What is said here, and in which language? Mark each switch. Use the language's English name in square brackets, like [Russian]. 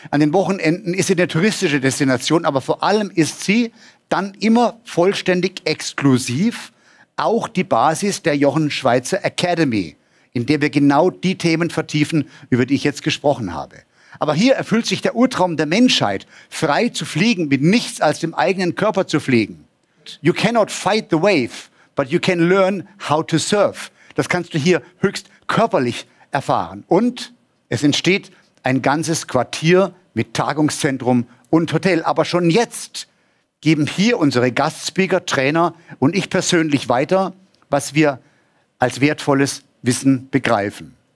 [German] An den Wochenenden ist sie eine touristische Destination, aber vor allem ist sie dann immer vollständig exklusiv auch die Basis der Jochen Schweizer Academy, in der wir genau die Themen vertiefen, über die ich jetzt gesprochen habe. Aber hier erfüllt sich der Urtraum der Menschheit, frei zu fliegen, mit nichts als dem eigenen Körper zu fliegen. [English] You cannot fight the wave, but you can learn how to surf. [German] Das kannst du hier höchst körperlich erfahren. Und es entsteht ein ganzes Quartier mit Tagungszentrum und Hotel. Aber schon jetzt geben hier unsere Gastspeaker, Trainer und ich persönlich weiter, was wir als wertvolles Wissen begreifen.